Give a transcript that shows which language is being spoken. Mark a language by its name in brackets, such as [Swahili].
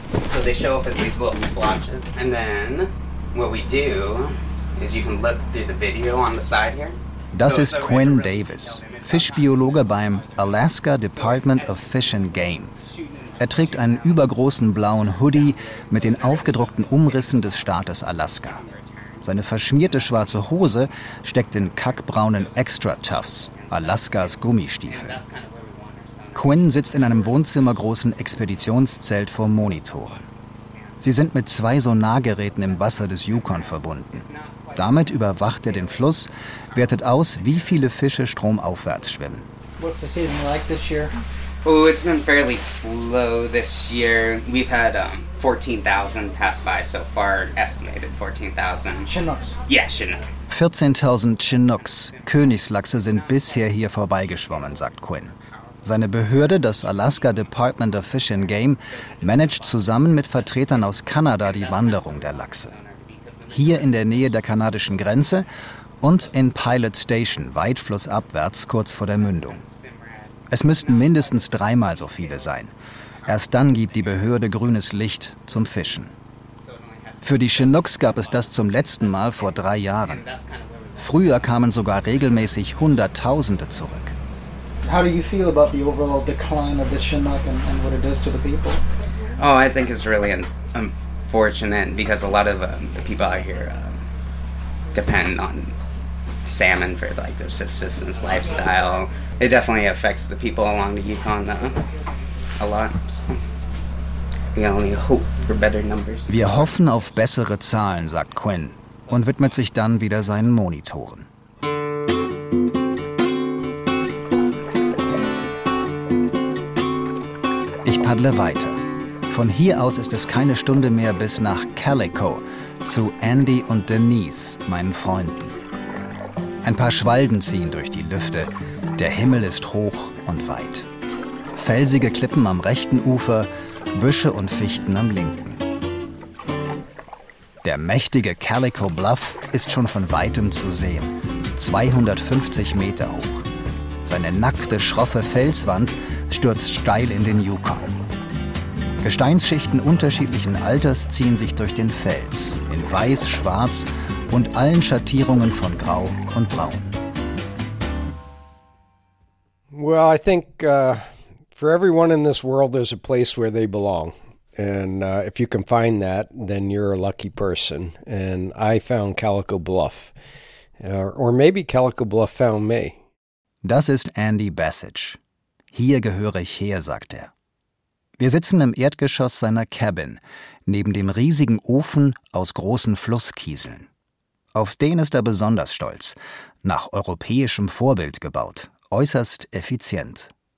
[English] So they show up as these little splotches. And then what we do is you can look through the video on the side here. [German] Das ist Quinn Davis, Fischbiologe beim Alaska Department of Fish and Game. Er trägt einen übergroßen blauen Hoodie mit den aufgedruckten Umrissen des Staates Alaska. Seine verschmierte schwarze Hose steckt in kackbraunen Extra Tufts, Alaskas Gummistiefel. Quinn sitzt in einem wohnzimmergroßen Expeditionszelt vor Monitoren. Sie sind mit zwei Sonargeräten im Wasser des Yukon verbunden. Damit überwacht er den Fluss, wertet aus, wie viele Fische stromaufwärts schwimmen. [English] What's the season like this year? Oh, it's been fairly slow this year. We've had 14,000 pass by so far, estimated 14,000. Chinooks? Yeah, Chinook. [German] 14,000 Chinooks, Königslachse, sind bisher hier vorbeigeschwommen, sagt Quinn. Seine Behörde, das Alaska Department of Fish and Game, managt zusammen mit Vertretern aus Kanada die Wanderung der Lachse. Hier in der Nähe der kanadischen Grenze und in Pilot Station, weit flussabwärts, kurz vor der Mündung. Es müssten mindestens dreimal so viele sein. Erst dann gibt die Behörde grünes Licht zum Fischen. Für die Chinooks gab es das zum letzten Mal vor 3 Jahren. Früher kamen sogar regelmäßig Hunderttausende zurück. [English] How do you feel about the overall decline of the Chinook and what it does to the people? Oh, I think it's really unfortunate because a lot of the people out here depend on salmon for like their subsistence lifestyle. It definitely affects the people along the Yukon a lot. So we only hope for better numbers. [German] Wir hoffen auf bessere Zahlen, sagt Quinn und widmet sich dann wieder seinen Monitoren. Ich paddle weiter. Von hier aus ist es keine Stunde mehr bis nach Calico, zu Andy und Denise, meinen Freunden. Ein paar Schwalben ziehen durch die Lüfte. Der Himmel ist hoch und weit. Felsige Klippen am rechten Ufer, Büsche und Fichten am linken. Der mächtige Calico Bluff ist schon von Weitem zu sehen, 250 Meter hoch. Seine nackte, schroffe Felswand stürzt steil in den Yukon. Gesteinsschichten unterschiedlichen Alters ziehen sich durch den Fels, in weiß, schwarz und allen Schattierungen von grau und braun. [English] Well, I think for everyone in this world there's a place where they belong. And if you can find that, then you're a lucky person. And I found Calico Bluff. Or maybe Calico Bluff found me. [German] Das ist Andy Bassage. Hier gehöre ich her, sagt er. Wir sitzen im Erdgeschoss seiner Cabin, neben dem riesigen Ofen aus großen Flusskieseln. Auf den ist er besonders stolz, nach europäischem Vorbild gebaut, äußerst effizient.